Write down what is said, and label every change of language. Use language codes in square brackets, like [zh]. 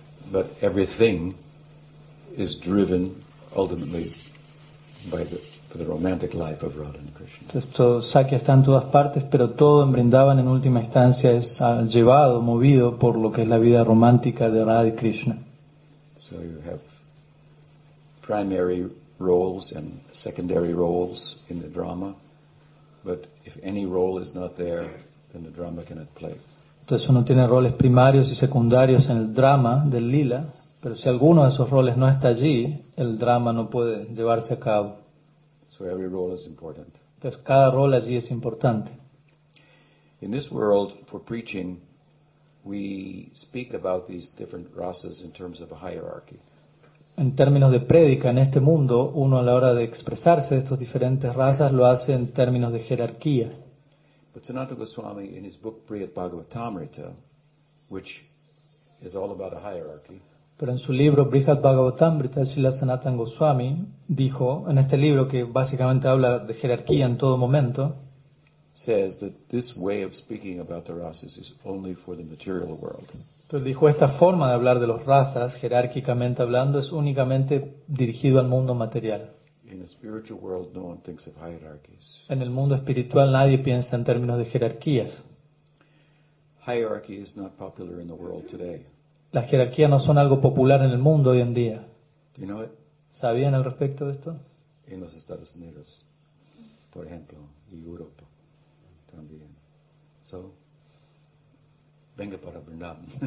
[en] But everything is driven ultimately by the romantic life of Radha and Krishna. [es] Esto Sakya está en todas partes, pero todo en Vrindavan en última instancia es llevado, movido por lo que es la vida romántica de Radha y Krishna. [en] So you have primary roles and secondary roles in the drama, but if any role is not there, then the drama cannot play. [es] Entonces uno tiene roles primarios y secundarios en el drama del lila, pero si alguno de esos roles no está allí, el drama no puede llevarse a cabo. [en] So every role is important. [es] Entonces cada rol allí es importante. [en] In this world, for preaching, we speak about these different rasas in terms of a hierarchy. [es] En términos de prédica, en este mundo, uno a la hora de expresarse de estas diferentes razas lo hace en términos de jerarquía. [en] But Sanatana Goswami, in his book Priyat Bhagavatamrita, which is all about a hierarchy, [es] pero en su libro Brihat Bhagavatamrita, Srila Sanatana Goswami dijo, en este libro que básicamente habla de jerarquía en todo momento, [en] says that this way of speaking about the rasas is only for the material world. [es] Entonces dijo, esta forma de hablar de los razas, jerárquicamente hablando, es únicamente dirigido al mundo material. [en] In the spiritual world, no one thinks of hierarchies. [es] En el mundo espiritual nadie piensa en términos de jerarquías. [en] Hierarchy is not popular in the world today. [es] Las jerarquías no son algo popular en el mundo hoy en día. [en] Do you know it? [es] ¿Sabían al respecto de esto? En los Estados Unidos, por ejemplo, y Europa también. So, venga para Vrindavan.